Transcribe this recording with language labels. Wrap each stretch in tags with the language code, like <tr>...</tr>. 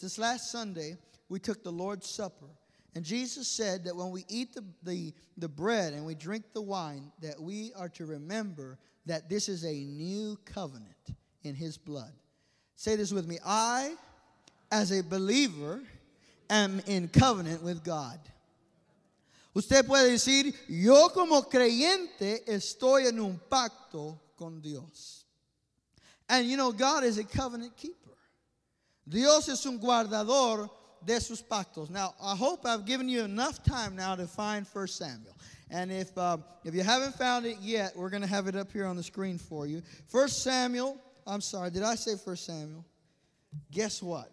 <en>This last Sunday, we took the Lord's Supper. And Jesus said that when we eat the bread and we drink the wine, that we are to remember that this is a new covenant in his blood. Say this with me. I, as a believer, am in covenant with God.</en> <es>Usted puede decir, yo como creyente estoy en un pacto con Dios.</es> <en>And you know, God is a covenant keeper.</en> <es>Dios es un guardador de sus pactos.</es> <en>Now, I hope I've given you enough time now to find 1 Samuel. And if you haven't found it yet, we're going to have it up here on the screen for you. 1 Samuel, I'm sorry, did I say 1 Samuel? Guess what?</en>